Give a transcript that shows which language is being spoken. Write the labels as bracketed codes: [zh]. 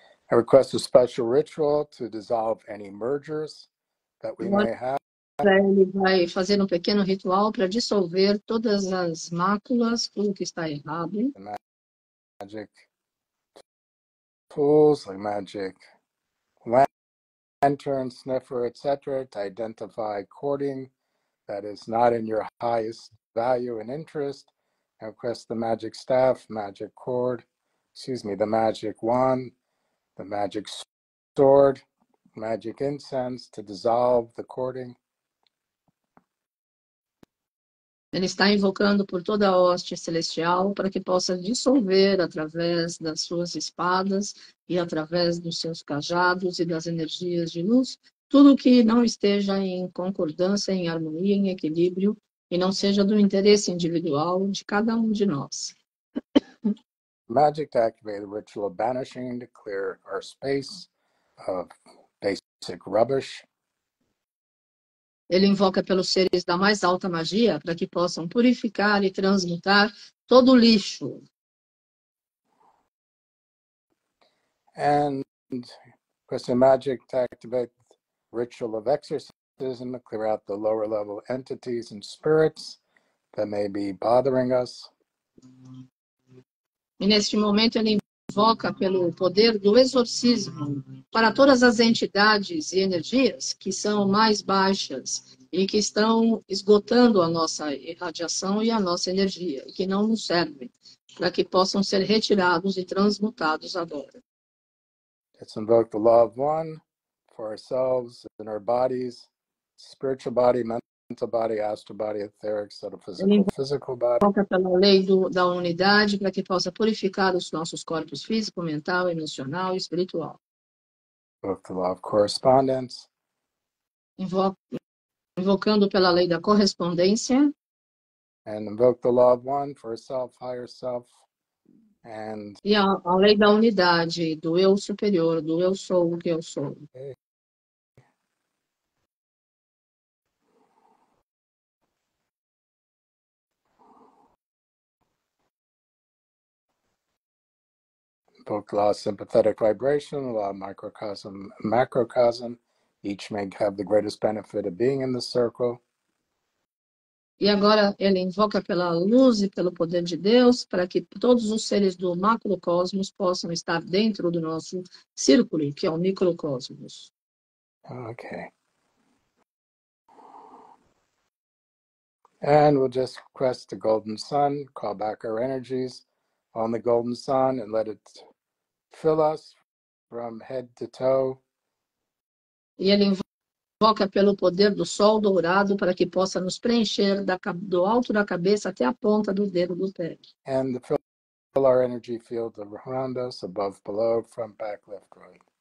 [en] I request a special ritual to dissolve any mergers that we may have. [pt] Ele vai fazer um pequeno ritual para dissolver todas as máculas, tudo que está errado. [en] Magic tools, like magic lantern, sniffer, etc., to identify cording that is not in your highest value and interest. I request the magic staff, magic cord, the magic wand, the magic sword, magic incense to dissolve the cording. [pt] Ele está invocando por toda a hoste celestial para que possa dissolver através das suas espadas e através dos seus cajados e das energias de luz tudo o que não esteja em concordância, em harmonia, em equilíbrio e não seja do interesse individual de cada um de nós. [en] Magic to activate the ritual of banishing to clear our space of basic rubbish. [pt] Ele invoca pelos seres da mais alta magia para que possam purificar e transmutar todo o lixo. [en] And question magic to activate ritual of exorcism to clear out the lower level entities and spirits that may be bothering us. [pt] E neste momento ele invoca pelo poder do exorcismo para todas as entidades e energias que são mais baixas e que estão esgotando a nossa irradiação e a nossa energia, e que não nos servem, para que possam ser retirados e transmutados agora. [en] Let's invoke the law of one for ourselves and our bodies, spiritual body, mental body, astral body, etheric, physical body. [pt] Ele invoca pela lei da unidade para que possa purificar os nossos corpos físico, mental, emocional e espiritual. [en] Invoke the law of correspondence. [pt] Invocando pela lei da correspondência. [en] And invoke the law of one for self, higher self, and... [pt] E a lei da unidade, do eu superior, do eu sou o que eu sou. Okay. [en] Invoke law of sympathetic vibration, law of microcosm, macrocosm. Each may have the greatest benefit of being in the circle. [pt] E agora ele invoca pela luz e pelo poder de Deus para que todos os seres do macrocosmos possam estar dentro do nosso círculo, que é o microcosmos. Okay. [en] And we'll just request the golden sun, call back our energies on the golden sun and let it fill us from head to toe. [pt] E ele invoca pelo poder do sol dourado para que possa nos preencher do alto da cabeça até a ponta do dedo do pé. [en] And fill our energy field around us, above, below, front, back, left, right.